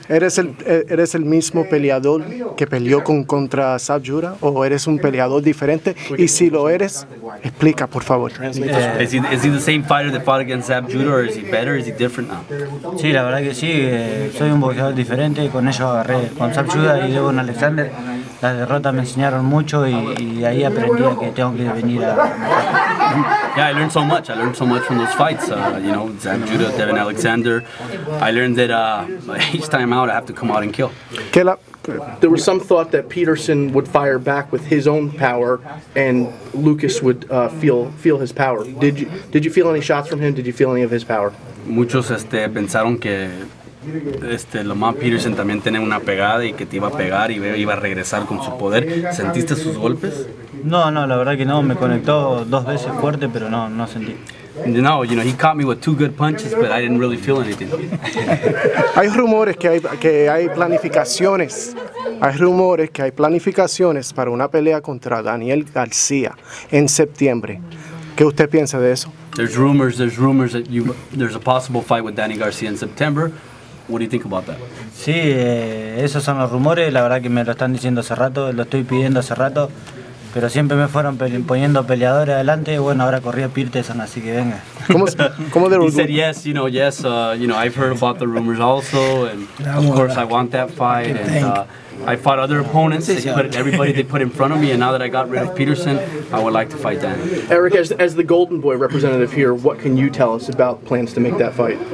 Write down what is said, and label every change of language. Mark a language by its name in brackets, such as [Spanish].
[Spanish] ¿Eres el mismo peleador que peleó contra Sabjura o eres un peleador diferente? Y si lo eres, explica, por favor. [English] Is he the same fighter that fought against Sabjura, or is he better, is he different now? [Spanish] Sí, la verdad que sí. Soy un boxeador diferente. Con ellos agarré con Sabjura y luego con Alexander. La derrota me enseñaron mucho y ahí aprendí que tengo que venir a... [English] Yeah, I learned so much. I learned so much from those fights. You know, Zanjuda, Devin Alexander. I learned that each time out, I have to come out and kill. There was some thought that Peterson would fire back with his own power and Lucas would feel his power. Did you feel any shots from him? Did you feel any of his power? [Spanish] Muchos pensaron que... Lamont Peterson también tiene una pegada y que te iba a pegar y iba a regresar con su poder. ¿Sentiste sus golpes? No, la verdad que no. Me conectó dos veces fuerte, pero no sentí. [English] No, you know, he caught me with two good punches, but I didn't really feel anything. [Spanish] Hay rumores que hay planificaciones. Hay rumores que hay planificaciones para una pelea contra Daniel García en septiembre. ¿Qué usted piensa de eso? [English] There's rumors that there's a possible fight with Danny García in September. What do you think about that? [Spanish] Sí, esos son los rumores. La verdad que me lo están diciendo hace rato, lo estoy pidiendo hace rato, pero siempre me fueron poniendo peleadores adelante. Bueno, ahora corrió Peterson, así que venga. ¿Cómo de rumores? [English] He said yes, you know, yes, you know, I've heard about the rumors also, and of course I want that fight. And I fought other opponents, but everybody they put in front of me, and now that I got rid of Peterson, I would like to fight Dan. Eric, as the Golden Boy representative here, what can you tell us about plans to make that fight?